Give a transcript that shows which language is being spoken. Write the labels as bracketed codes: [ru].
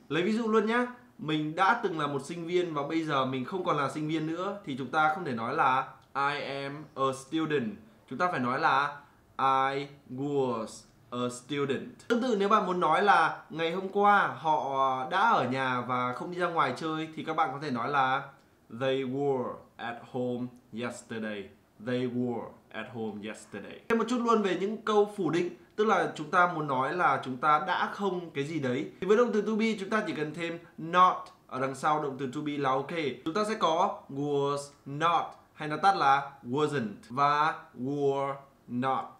[vi] Lấy ví dụ luôn nhá, mình đã từng là một sinh viên và bây giờ mình không còn là sinh viên nữa thì chúng ta không thể nói là [en] I am a student. [vi] Chúng ta phải nói là [en] I was a student. [vi] Tương tự nếu bạn muốn nói là ngày hôm qua họ đã ở nhà và không đi ra ngoài chơi thì các bạn có thể nói là [en] they were at home yesterday. They were at home yesterday. [vi] Thêm một chút luôn về những câu phủ định, tức là chúng ta muốn nói là chúng ta đã không cái gì đấy. Thì với động từ to be chúng ta chỉ cần thêm not ở đằng sau động từ to be là ok. Chúng ta sẽ có [en] was not, [vi] hay nó tắt là wasn't, và [en] were not.